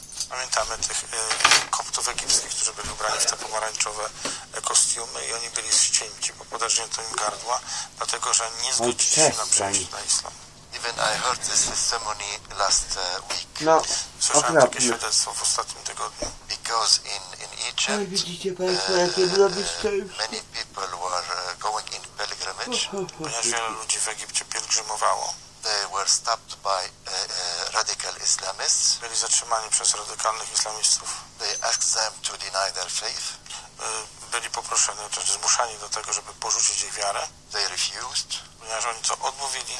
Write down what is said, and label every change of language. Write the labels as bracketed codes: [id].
[pl] Pamiętamy tych koptów egipskich, którzy byli ubrani w te pomarańczowe kostiumy i oni byli ścięci, bo podarznięto im gardła, dlatego że nie zgodzili się na przyjęcie na islam. [en] Even I heard this testimony last week. [pl] No, słyszałem takie świadectwo w ostatnim tygodniu. [en] Because in Egypt, [pl] widzicie państwo, jakie zrobiste [en] many people were going in pilgrimage. [pl] Ponieważ wiele ludzi w Egipcie pielgrzymowało. [en] They were stopped by radical Islamists. [pl] Byli zatrzymani przez radykalnych islamistów. [en] They asked them to deny their faith. [pl] Byli poproszeni, to znaczy zmuszani do tego, żeby porzucić ich wiarę. [en] They refused. [pl] Ponieważ oni to odmówili.